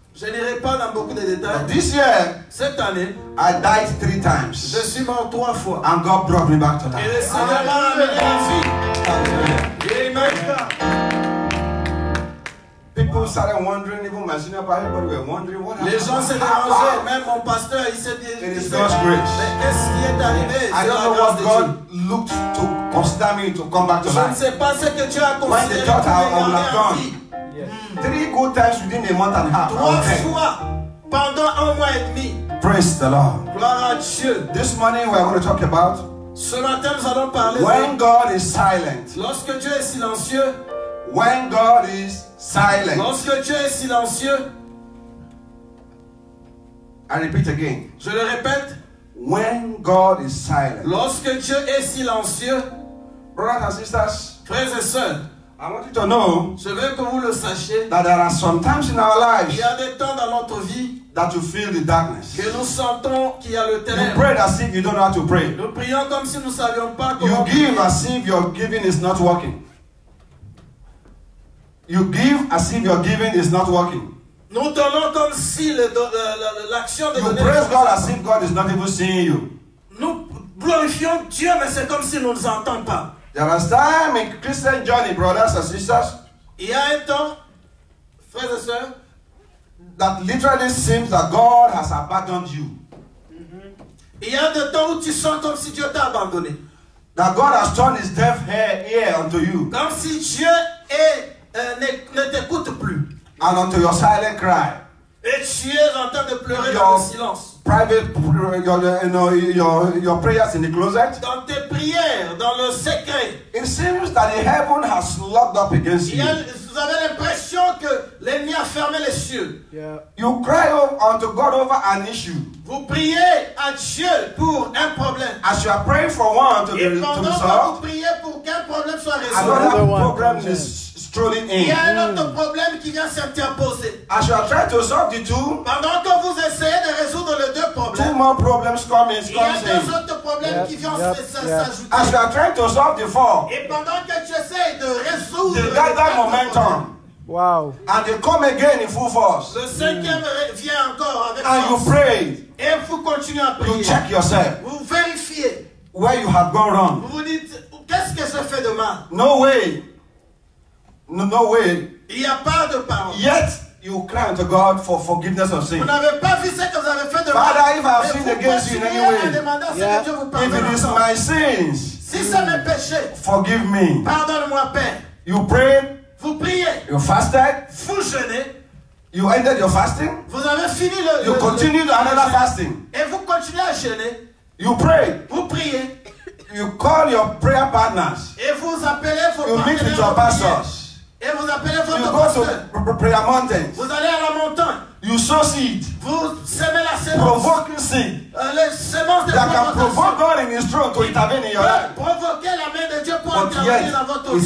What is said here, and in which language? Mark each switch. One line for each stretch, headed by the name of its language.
French: Je n'irai pas dans beaucoup de détails.
English: But this year,
French: cette année,
English: I died 3 times.
French: Je suis mort 3 fois.
English: And God brought me back to life.
French: Et le Seigneur m'a ramené à vie.
English: People started wondering, even my senior pastor, everybody were wondering what happened.
French: Les gens se dérangeaient, même mon pasteur, il s'est dit,
English: it is God's grace.
French: Mais qu'est-ce qui est arrivé?
English: I don't know what God looked to consider me to come back tonight.
French: Je ne sais pas ce que tu as considéré.
English: When the church I have done three good times within a month and a half.
French: Trois fois pendant un mois et demi.
English: Praise the Lord.
French: Gloire à Dieu.
English: This morning we are going to talk about.
French: Ce matin nous allons parler.
English: When God is silent.
French: Lorsque Dieu est silencieux.
English: When God is silent.
French: Lorsque Dieu est silencieux.
English: I repeat again.
French: Je le répète.
English: When God is silent.
French: Lorsque Dieu est silencieux.
English: Brothers and sisters.
French: Frères et sœurs.
English: I want you to know.
French: Je veux que vous le sachiez.
English: That there are some times in our lives.
French: Il y a des temps dans notre vie.
English: That you feel the darkness.
French: Que nous sentons qu'il y a le ténèbre.
English: You pray as if you don't know how to pray.
French: Nous prions comme si nous savions pas comment.
English: You give as if your giving is not working. You give as if your giving is not working.
French: Nous donnons comme si l'action de donner.
English: You praise God as if God is not even seeing you.
French: Nous glorifions Dieu mais c'est comme si nous ne nous entendons pas.
English: There is time in Christian journey, brothers and sisters.
French: Il y a un temps, frères et sœurs,
English: that literally seems that God has abandoned you.
French: Il y a des temps où tu sens comme si Dieu t'a abandonné.
English: That God has turned His deaf ear unto you.
French: Comme si Dieu ne t'écoute plus.
English: And unto your silent cry.
French: Et tu es en train de pleurer dans le silence.
English: Private, your prayers in the closet.
French: Dans tes prières, dans le secret.
English: It seems that the heaven has locked up against you.
French: Vous avez l'impression que l'ennemi a fermé les cieux.
English: Yeah. You cry unto God over an issue.
French: Vous priez à Dieu pour un problème.
English: As you are praying for one to be resolved.
French: Et pendant que vous priez pour qu'un problème soit résolu.
English: Another problem is strolling in.
French: Il y a un autre problème qui vient s'interposer.
English: As you are trying to solve the two.
French: Pendant que vous essayez de résoudre les deux problèmes.
English: Two more problems coming.
French: Il y a deux autres problèmes qui viennent s'ajouter.
English: As you are trying to solve the four.
French: Et pendant que tu essayes de résoudre.
English: The gather momentum. Wow. And they come again in full force.
French: Le cinquième vient encore avec force.
English: And you pray.
French: Et vous continuez à prier.
English: You check yourself.
French: Vous vérifiez.
English: Where you have gone wrong.
French: Vous dites qu'est-ce que ça fait de mal?
English: No way. No, no way.
French: Il y a pas de parole.
English: Yet you cry unto God for forgiveness of sin.
French: Vous n'avez pas vu ce que vous avez fait de mal.
English: Father, if I have sinned against you in any way, yeah. If it is my sins,
French: si c'est mes péchés,
English: forgive me.
French: Pardonne-moi, Père.
English: You pray.
French: Vous priez.
English: You fasted.
French: Vous jeûnez.
English: You ended your fasting.
French: Vous avez fini le.
English: You continued another fasting.
French: Et vous continuez à jeûner.
English: You pray.
French: Vous priez.
English: You call your prayer partners.
French: Et vous appelez vos.
English: You meet with your pastors.
French: Et vous appelez votre.
English: You go pasteur. To prayer mountains.
French: Vous allez à la montagne.
English: You sow seed.
French: Vous semez la semence.
English: Provoking seed.
French: Les semences
English: that can provoke God in His throne to intervene in your life.
French: Provoquer la main de Dieu pour intervenir dans votre vie.